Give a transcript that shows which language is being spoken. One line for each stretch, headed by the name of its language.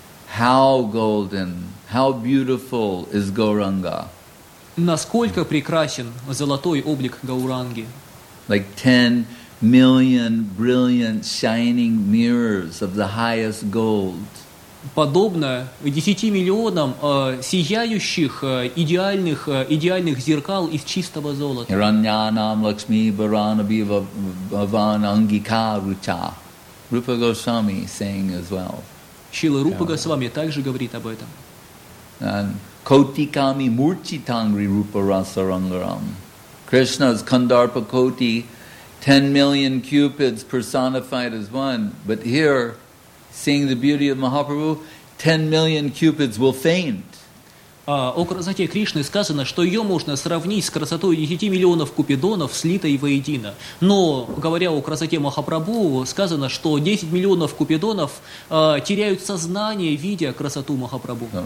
English: How golden, how beautiful is Gauranga.
Russian: Насколько прекрасен золотой облик Гауранги.
English: Like 10 million brilliant shining mirrors of the highest gold.
Russian: Подобно 10 миллионам сияющих идеальных зеркал из чистого золота.
Sanskrit: Hiranyanam Lakshmi Baranabiva Bhavan Angika Rucha.
English: Rupa Goswami saying as well.
Russian: Шрила Рупа Госвами также говорит об этом.
Sanskrit: And Kotikami Murchitangri Rupa Rasarangaram.
English: Krishna's Kandarpa Koti, 10 million cupids personified as one, but here, seeing the beauty of Mahaprabhu, 10 million cupids will faint.
Russian: О красоте Кришны сказано, что ее можно сравнить с красотой 10 миллионов купидонов, слитой воедино. Но, говоря о красоте Махапрабху, сказано, что 10 миллионов купидонов теряют сознание, видя красоту Махапрабху.